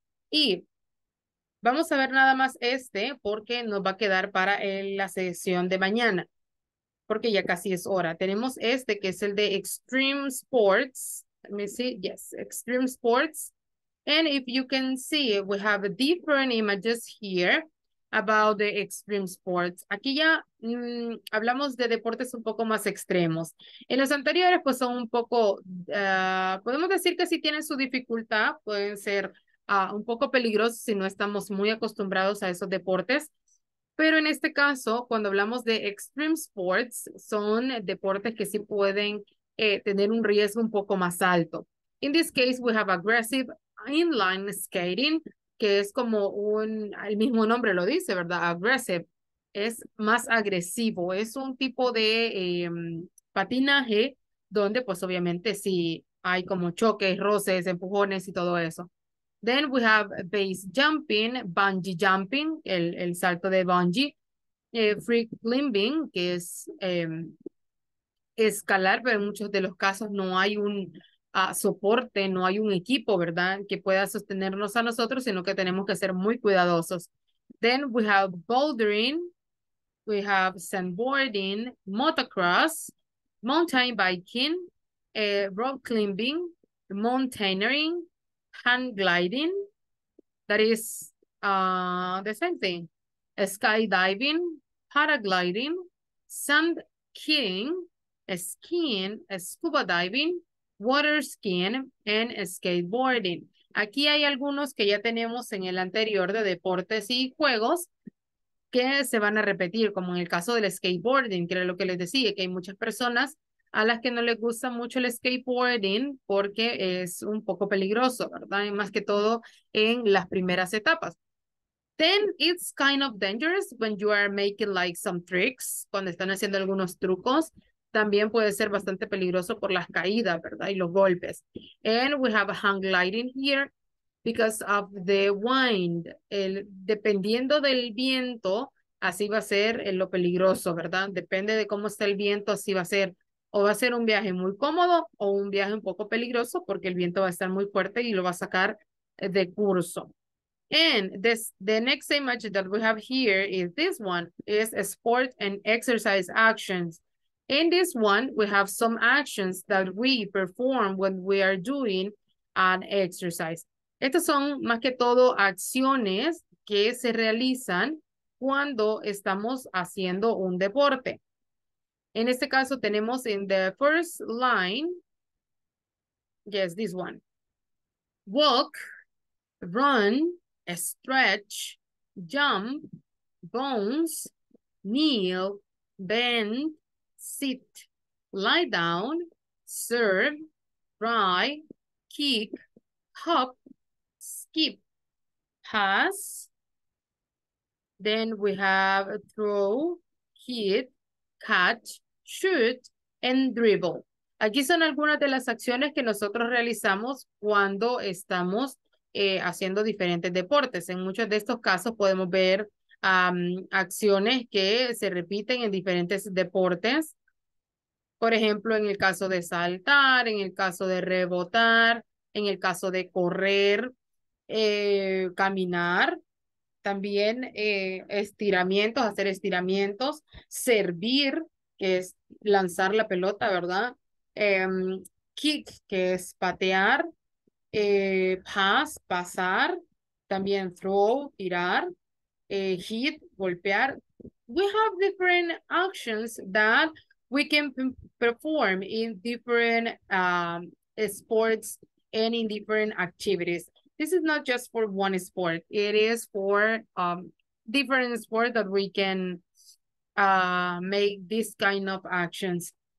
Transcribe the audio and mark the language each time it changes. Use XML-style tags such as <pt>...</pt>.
<es>Y vamos a ver nada más este porque nos va a quedar para la sesión de mañana, porque ya casi es hora. Tenemos este que es el de extreme sports.</es> <en>Let me see. Yes, extreme sports. And if you can see, we have different images here about the extreme sports.</en> <es>Aquí ya hablamos de deportes un poco más extremos. En los anteriores, pues son un poco, podemos decir que sí tienen su dificultad, pueden ser un poco peligrosos si no estamos muy acostumbrados a esos deportes. Pero en este caso, cuando hablamos de extreme sports, son deportes que sí pueden tener un riesgo un poco más alto.</es> <en>In this case, we have aggressive inline skating,</en> <es>que es como el mismo nombre lo dice,</es> <en>¿verdad?</en> <es>Aggressive, es más agresivo, es un tipo de patinaje donde pues obviamente sí hay como choques, roces, empujones y todo eso.</es> <en>Then we have base jumping, bungee jumping,</en> <es>el salto de bungee, free climbing, que es escalar, pero en muchos de los casos no hay un soporte, no hay un equipo, ¿verdad?, que pueda sostenernos a nosotros, sino que tenemos que ser muy cuidadosos.</es> <en>Then we have bouldering, we have sandboarding, motocross, mountain biking, rock climbing, mountaineering, hand gliding, that is the same thing, skydiving, paragliding, sand skiing, skiing, scuba diving, water skiing and skateboarding.</en> <es>Aquí hay algunos que ya tenemos en el anterior de deportes y juegos que se van a repetir, como en el caso del skateboarding, que era lo que les decía, que hay muchas personas a las que no les gusta mucho el skateboarding porque es un poco peligroso, ¿verdad? Y más que todo en las primeras etapas.</es> <en>Then it's kind of dangerous when you are making like some tricks,</en> <es>cuando están haciendo algunos trucos. También puede ser bastante peligroso por las caídas, ¿verdad? Y los golpes.</es> <en>And we have a hang gliding here because of the wind.</en> <es>Dependiendo del viento, así va a ser lo peligroso, ¿verdad? Depende de cómo está el viento, así va a ser. O va a ser un viaje muy cómodo o un viaje un poco peligroso porque el viento va a estar muy fuerte y lo va a sacar de curso.</es> <en>And the next image that we have here is this one. Is sport and exercise actions. In this one, we have some actions that we perform when we are doing an exercise.</en> <es>Estas son más que todo acciones que se realizan cuando estamos haciendo un deporte. En este caso, tenemos</es> <en>in the first line, yes, this one. Walk, run, stretch, jump, bounce, kneel, bend, sit. lie down, serve, try, kick, hop, skip, pass. Then we have throw, hit, catch, shoot, and dribble.</en> <es>Aquí son algunas de las acciones que nosotros realizamos cuando estamos haciendo diferentes deportes. En muchos de estos casos podemos ver acciones que se repiten en diferentes deportes. Por ejemplo, en el caso de saltar, en el caso de rebotar, en el caso de correr, caminar. También estiramientos, hacer estiramientos, servir, que es lanzar la pelota, ¿verdad? Kick, que es patear, pass, pasar, también throw, tirar, hit, golpear.</es> <en>We have different actions that we can perform in different sports and in different activities. This is not just for one sport. It is for different sports that we can make this kind of actions.</en>